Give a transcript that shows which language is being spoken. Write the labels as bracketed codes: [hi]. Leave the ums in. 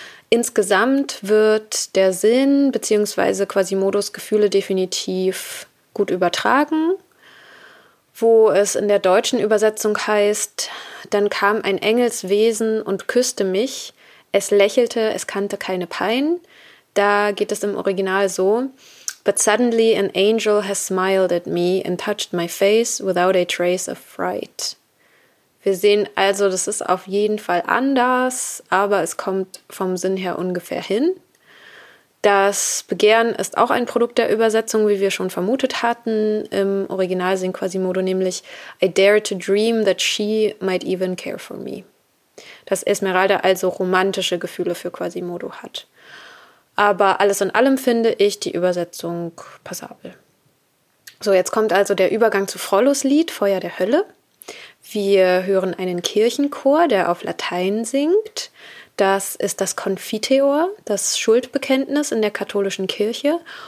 [de] Insgesamt wird der Sinn bzw. Quasimodos Gefühle definitiv gut übertragen, wo es in der deutschen Übersetzung heißt, dann kam ein Engelswesen und küsste mich, es lächelte, es kannte keine Pein. Da geht es im Original so, [en] But suddenly an angel has smiled at me and touched my face without a trace of fright. [de] Wir sehen also, das ist auf jeden Fall anders, aber es kommt vom Sinn her ungefähr hin. Das Begehren ist auch ein Produkt der Übersetzung, wie wir schon vermutet hatten. Im Original singt Quasimodo nämlich [en] I dare to dream that she might even care for me. [de] Dass Esmeralda also romantische Gefühle für Quasimodo hat. Aber alles in allem finde ich die Übersetzung passabel. So, jetzt kommt also der Übergang zu Frollos Lied Feuer der Hölle. Wir hören einen Kirchenchor, der auf Latein singt. Das ist das Confiteor, das Schuldbekenntnis in der katholischen Kirche.